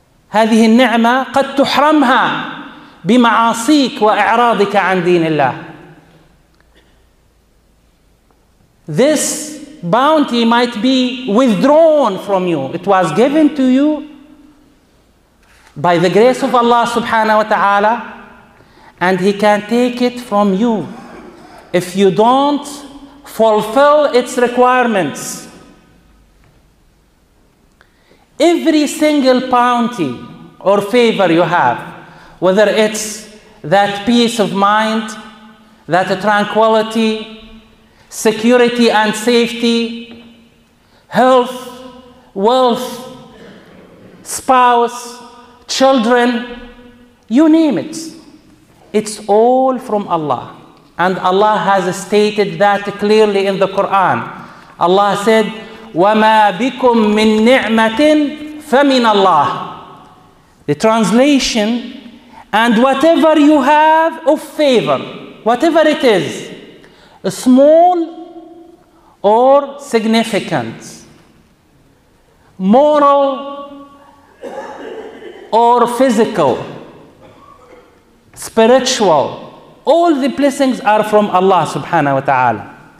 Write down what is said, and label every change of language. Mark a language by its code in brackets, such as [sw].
[ar] هذه النعمة قد تحرمها بمعاصيك وإعراضك عن دين الله. [en] This bounty might be withdrawn from you. It was given to you by the grace of Allah subhanahu wa ta'ala, and He can take it from you if you don't fulfill its requirements. Every single bounty or favor you have, whether it's that peace of mind, that tranquility, security and safety, health, wealth, spouse, children, you name it, it's all from Allah. And Allah has stated that clearly in the Quran. Allah said, [ar] وَمَا بِكُم مِّن نِعْمَةٍ فَمِنَ اللَّهِ. [en] The translation, and whatever you have of favor, whatever it is, small or significant, moral or physical, spiritual, all the blessings are from Allah subhanahu wa ta'ala.